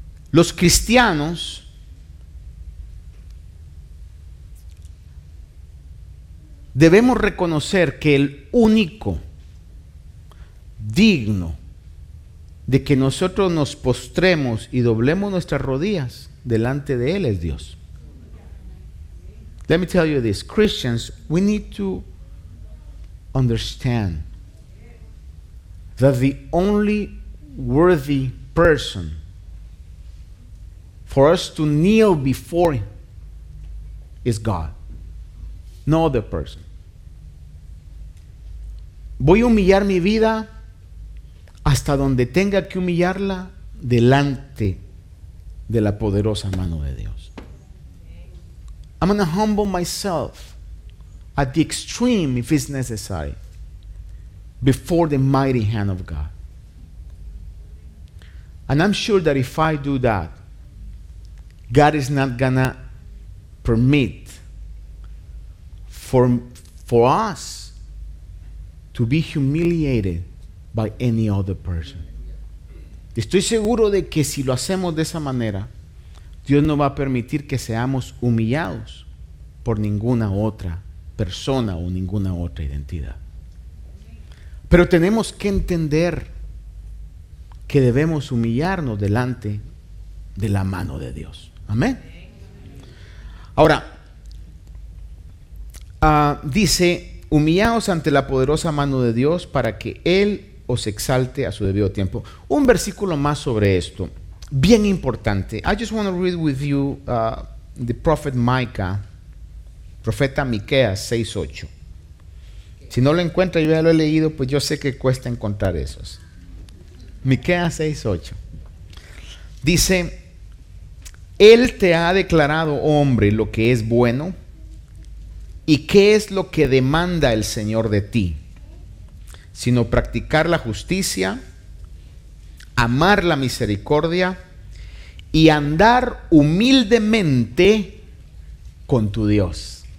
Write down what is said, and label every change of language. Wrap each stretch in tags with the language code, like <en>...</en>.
<es>Los cristianos debemos reconocer que el único digno de que nosotros nos postremos y doblemos nuestras rodillas delante de Él es Dios.</es> <en>Let me tell you this, Christians, we need to understand that the only worthy person for us to kneel before Him is God, no other person.</en> <es>Voy a humillar mi vida hasta donde tenga que humillarla delante de la poderosa mano de Dios.</es> <en>I'm going to humble myself at the extreme if it's necessary before the mighty hand of God. And I'm sure that if I do that, God is not going to permit for us to be humiliated by any other person.</en> <es>Estoy seguro de que si lo hacemos de esa manera, Dios no va a permitir que seamos humillados por ninguna otra persona o ninguna otra identidad. Pero tenemos que entender que debemos humillarnos delante de la mano de Dios. Amén. Ahora, dice: humillaos ante la poderosa mano de Dios para que Él os exalte a su debido tiempo. Un versículo más sobre esto, bien importante.</es> <en>I just want to read with you the prophet Micah,</en> <es>profeta Miqueas 6:8. Si no lo encuentra, yo ya lo he leído, pues yo sé que cuesta encontrar esos. Miqueas 6:8 dice: Él te ha declarado, hombre, lo que es bueno y qué es lo que demanda el Señor de ti, sino practicar la justicia, amar la misericordia y andar humildemente con tu Dios.</es>